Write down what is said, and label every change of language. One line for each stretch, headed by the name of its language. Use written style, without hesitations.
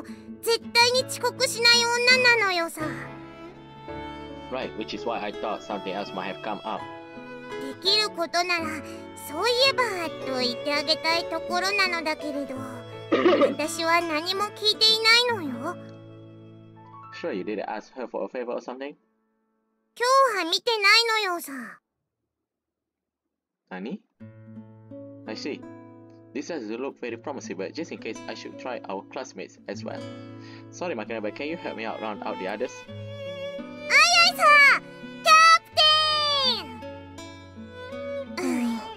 Japanese: それはおかしいのよ。サッチンはその身をマリアナ海溝に沈められたとしても絶対に遅刻しない女なのよさ。
English: Right, which is why I thought something else might have come up.
Japanese: できることならそういえばと言ってあげたいところなのだけれど。
English: Sure, you didn't ask her for a favor or something?
Japanese: 今日は見てないのよさ.
English: Nani? I see. This doesn't look very promising, but just in case, I should try our classmates as well. Sorry, Makina, but can you help me out round out the others? Ayai-sa! Captain!